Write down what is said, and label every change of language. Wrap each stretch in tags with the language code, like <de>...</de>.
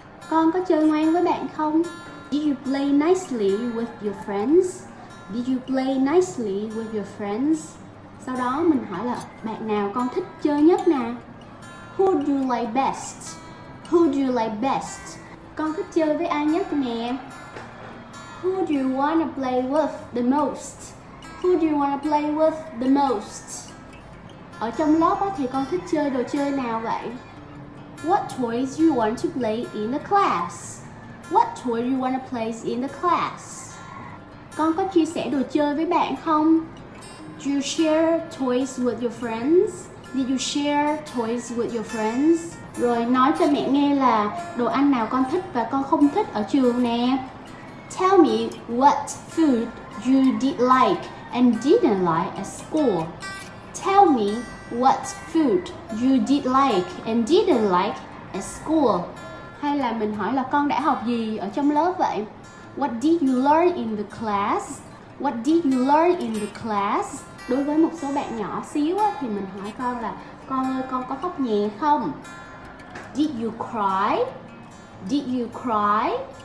<vi>Con có chơi ngoan với bạn không?</vi> <en>Did you play nicely with your friends? Did you play nicely with your friends?</en> <vi>Sau đó mình hỏi là bạn nào con thích chơi nhất nè?</vi> <en>Who do you like best? Who do you like best?</en> <vi>Con thích chơi với ai nhất nè?</vi> <en>Who do you wanna play with the most? Who do you wanna play with the most?</en> <vi>Ở trong lớp á, thì con thích chơi đồ chơi nào vậy?</vi> <en>What toys you want to play in the class? What toy you wanna play in the class?</en> <vi>Con có chia sẻ đồ chơi với bạn không?</vi> <en>Do you share toys with your friends? Did you share toys with your friends?</en> <vi>Rồi nói cho mẹ nghe là đồ ăn nào con thích và con không thích ở trường nè.</vi> <en>Tell me what food you did like and didn't like at school. Tell me what food you did like and didn't like at school.</en> <vi>Hay là mình hỏi là con đã học gì ở trong lớp vậy?</vi> <en>What did you learn in the class? What did you learn in the class?</en> <vi>Đối với một số bạn nhỏ xíu thì mình hỏi con là: con ơi, con có khóc nhè không?</vi> <en>Did you cry? Did you cry?</en>